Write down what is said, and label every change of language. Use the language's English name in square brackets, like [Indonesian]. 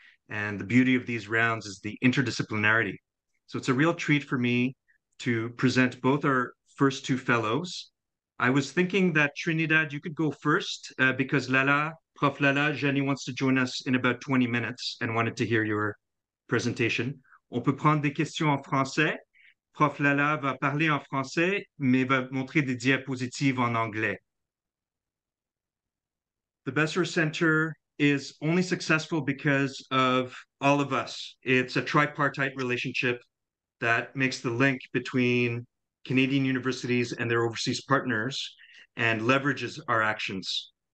[English] And the beauty of these rounds is the interdisciplinarity. So it's a real treat for me to present both our first two fellows. I was thinking that Trinidad, you could go first because Lala, Prof. Lala, Jenny wants to join us in about 20 minutes and wanted to hear your presentation. [French] On peut prendre des questions en français. Prof. Lala va parler en français, mais va montrer des diapositives en anglais. [English] The Besser Center is only successful because of all of us. It's a tripartite relationship that makes the link between Canadian universities and their overseas partners and leverages our actions.